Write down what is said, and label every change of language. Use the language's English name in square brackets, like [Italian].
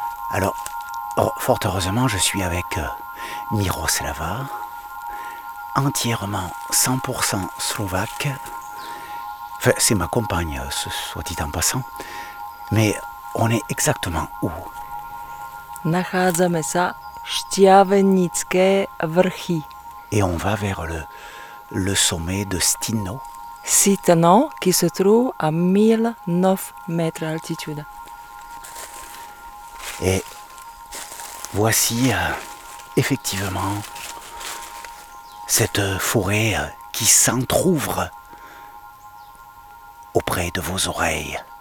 [French] Alors, fort heureusement, je suis avec Miroslava, entièrement 100% slovaque. Enfin, c'est ma compagne, ce soit dit en passant. Mais on est exactement où ? [Slovak] Nachádzame sa Štiavenické vrchy. [French] Et on va vers le sommet de Stino. Stino, qui se trouve à 1009 mètres d'altitude. Et voici effectivement cette forêt qui s'entr'ouvre auprès de vos oreilles.